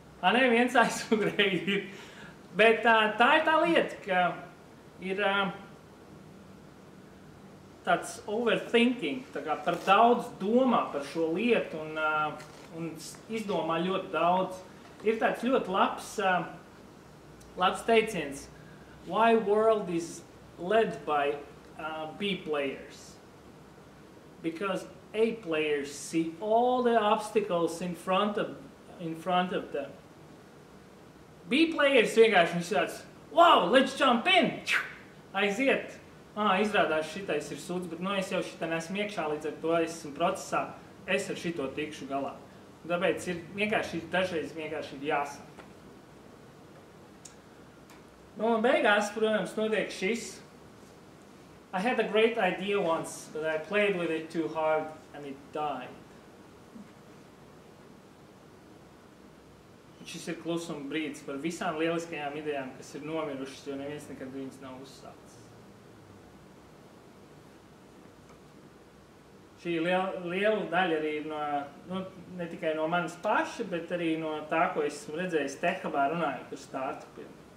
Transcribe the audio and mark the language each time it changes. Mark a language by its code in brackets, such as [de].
[lv] A ne, viens aizsugrēji ir. Bet tā ir tā lieta, ka ir tāds overthinking, tā kā par daudz domā par šo lietu un izdomā ļoti daudz. Ir tāds ļoti labs teiciens. [en] Why world is led by B players? Because A players see all the obstacles in front of them. [lv] B players vienkārši viņš tāds, wow, [en] let's jump in, [lv] aiziet. Izrādās šitais ir sūds, bet nu es jau šitā neesmu iekšā, līdz ar to esmu procesā, es ar šito tikšu galā. Tāpēc ir vienkārši dažreiz vienkārši ir jāsaka. Nu, un beigās, protams, notiek šis. [en] I had a great idea once, but I played with it too hard and it died. [lv] šis ir klusuma brīdis par visām lieliskajām idejām, kas ir nomirušas, jo neviens nekad viņas nav uzsācis. Šī liela daļa arī ir no, nu, ne tikai no manas paša, bet arī no tā, ko es esmu redzējis Techhubā runājot par startupiem.